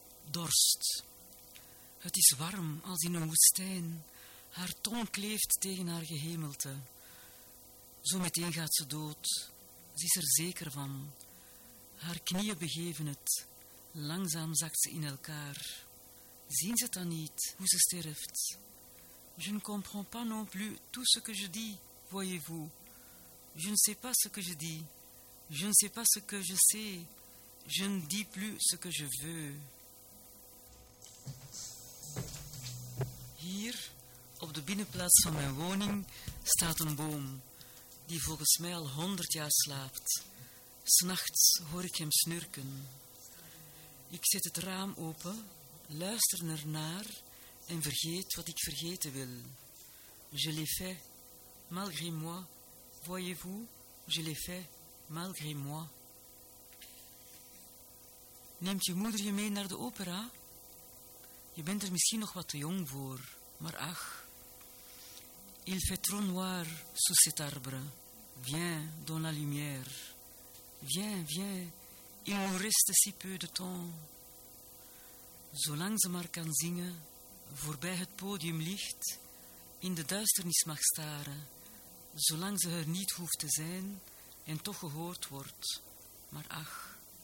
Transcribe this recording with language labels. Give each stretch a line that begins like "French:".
Dutch: Dorst. Het is warm als in een woestijn. Haar tong kleeft tegen haar gehemelte. Zo meteen gaat ze dood. Ze is er zeker van. Haar knieën begeven het. Langzaam zakt ze in elkaar. Zien ze het dan niet, hoe ze sterft?
French: Je ne comprends pas non plus tout ce que je dis, voyez-vous. Je ne sais pas ce que je dis. Je ne sais pas ce que je sais. Je ne dis plus ce que je veux.
Dutch: Hier, op de binnenplaats van mijn woning, staat een boom die volgens mij al 100 jaar slaapt. 'S Nachts hoor ik hem snurken. Ik zet het raam open, luister ernaar en vergeet wat ik vergeten wil.
French: Je l'ai fait, malgré moi. Voyez-vous, je l'ai fait, malgré moi.
Dutch: Neemt je moeder je mee naar de opera? Je bent er misschien nog wat te jong voor. Maar ach,
French: il fait trop noir sous cet arbre. Viens dans la lumière. Viens, viens, il nous reste si peu de temps.
Dutch: Zolang ze maar kan zingen, voorbij het podium licht, in de duisternis mag staren, zolang ze er niet hoeft te zijn en toch gehoord wordt. Maar ach.